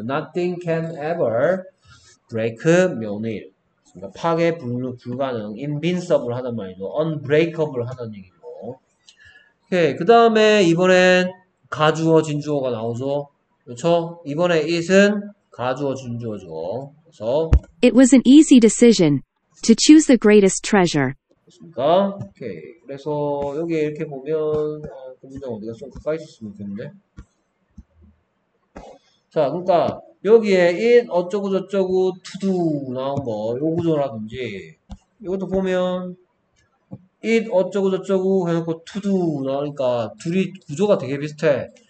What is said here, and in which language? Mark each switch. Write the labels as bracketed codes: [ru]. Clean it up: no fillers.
[en] Nothing can ever break 면의. [ko] 파괴 불가능, invincible 하단 말이죠. unbreakable 하단 얘기죠. 오케이. 그 다음에 이번엔 가주어, 진주어가 나오죠. 그렇죠? 이번에 it은 가주어, 진주어죠. 그래서. [en] It was an easy decision to choose the greatest treasure. [ko] 됐습니까? 오케이. 그래서 여기 이렇게 보면 그 문장 어디가 좀 가까이 있었으면 좋겠는데. 자, 그러니까 여기에 it 어쩌고저쩌고 to do 나온 거, 요 구조라든지 이것도 보면 it 어쩌고저쩌고 해놓고 to do 나오니까 둘이 구조가 되게 비슷해.